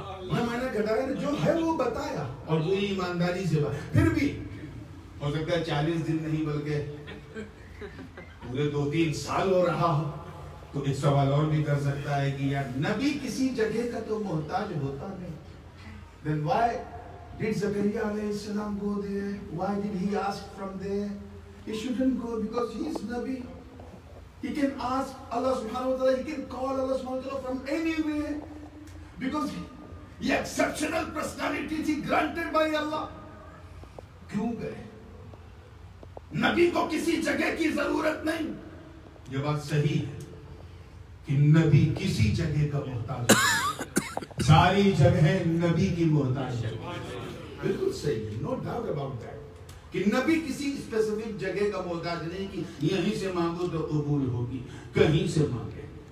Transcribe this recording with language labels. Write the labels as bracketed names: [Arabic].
[Urdu] میں نے گھٹایا جو ہے وہ بتایا اور وہی ایمانداری سے بات. پھر بھی ہو سکتا ہے 40 دن نہیں بلکہ پورے 2-3 سال ہو رہا ہو تو ایک سوال اور بھی کر سکتا ہے کہ یار نبی کسی جگہ کا تو محتاج ہوتا نہیں. [English] Then why did زکریا علیہ السلام go there? Why did he ask from there? He shouldn't go because he is نبی. He can ask Allah سبحانہ وتعالی, he can call Allah سبحانہ وتعالی from anywhere because he exceptional personality تھی granted by Allah. [Urdu] کیوں گئے؟ نبی کو کسی جگہ کی ضرورت نہیں. یہ بات صحیح ہے کہ نبی کسی جگہ کا محتاج ہے. ساری جگہ نبی کی محتاج ہے. بالکل صحیح ہے, [English] no doubt about that [Urdu] کہ نبی کسی اسپیسیفک جگہ کا محتاج نہیں کہ یہیں سے مانگو تو قبول ہوگی, کہیں سے مانگے.